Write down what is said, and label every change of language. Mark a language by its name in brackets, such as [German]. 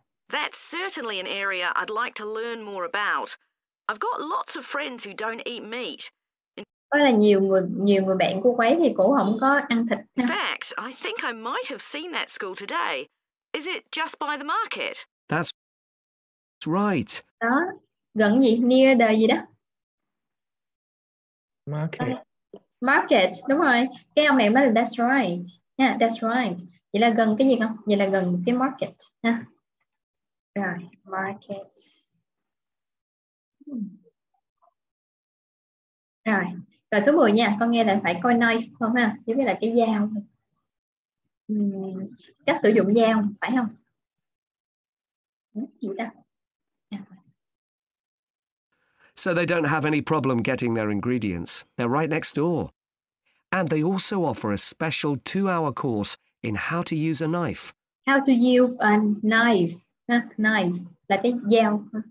[English] That's certainly an area I'd like to learn more about. I've got lots of friends who don't eat meat. [Vietnamese] Có là nhiều người bạn của quấy thì cổ không có ăn thịt. [English] In fact, I think I might have seen that school today. Is it just by the market? That's right. [Vietnamese] Đó, gần gì? [English] Near the [Vietnamese] gì đó? [English] Market. [Vietnamese] Market, đúng rồi. Cái ông này mới là [English] that's right. Yeah, that's right. [Vietnamese] Vậy là gần cái gì không? Vậy là gần cái market. Ha. Rồi, market. Rồi, rồi số 10 nha. Con nghe là phải coi knife không ha? Giống như là cái dao. Cách sử dụng dao, phải không? [English] So they don't have any problem getting their ingredients. They're right next door. And they also offer a special 2-hour course in how to use a knife. How to use a knife. Knife, [Vietnamese] là cái dao.